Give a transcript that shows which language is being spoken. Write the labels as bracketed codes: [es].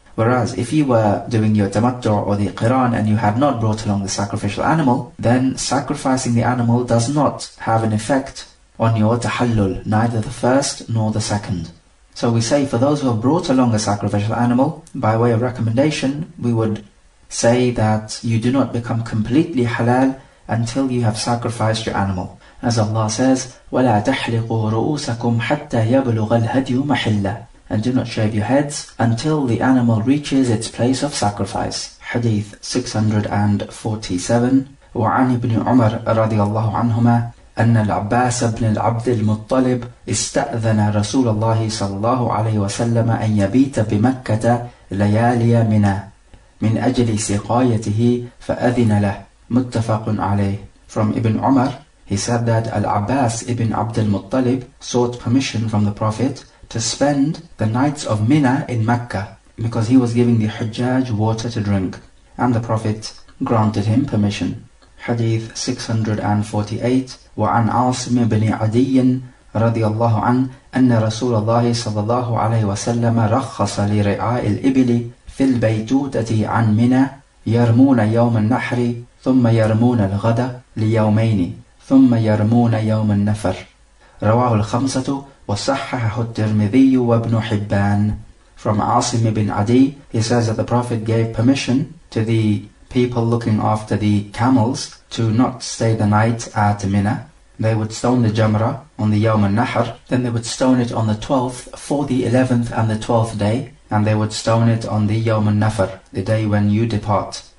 [en] Whereas if you were doing your tamattu or the qiran and you had not brought along the sacrificial animal, then sacrificing the animal does not have an effect on your tahallul, neither the first nor the second. So we say for those who have brought along a sacrificial animal, by way of recommendation, we would say that you do not become completely halal until you have sacrificed your animal. As Allah says, [ar] وَلَا تَحْلِقُوا رُؤُوسَكُمْ حَتَّى يَبْلُغَ الْهَدْيُ مَحِلَّ. [en] And do not shave your heads until the animal reaches its place of sacrifice. Hadith 647. [ar] وعن ابن عمر رضي الله عنهما أن العباس بن العبد المطلب استأذن رسول الله صلى الله عليه وسلم أن يبيت بمكة ليالي منى من أجل سقايته فأذن له. متفق عليه. [en] From Ibn Umar, he said that Al-Abbas ibn Abd al-Muttalib sought permission from the Prophet to spend the nights of Mina in Mecca, because he was giving the Hujjaj water to drink, and the Prophet granted him permission. Hadith 648. [ar] وعن عاصم بن عدي رضي الله عنه أن رسول الله صلى الله عليه وسلم رخص لرعاء الإبل في البيتوتة عن منى يرمون يوم النحر ثم يرمون الغد ليومين ثم يرمون يوم النفر. رواه الخمسة وصححه الترمذي وابن حبان. [en] From Asim ibn Adi, he says that the Prophet gave permission to the people looking after the camels to not stay the night at Mina. They would stone the Jamrah on the Yawm al-Nahr, then they would stone it on the 12th for the 11th and the 12th day, and they would stone it on the Yawm al-Nafr, the day when you depart.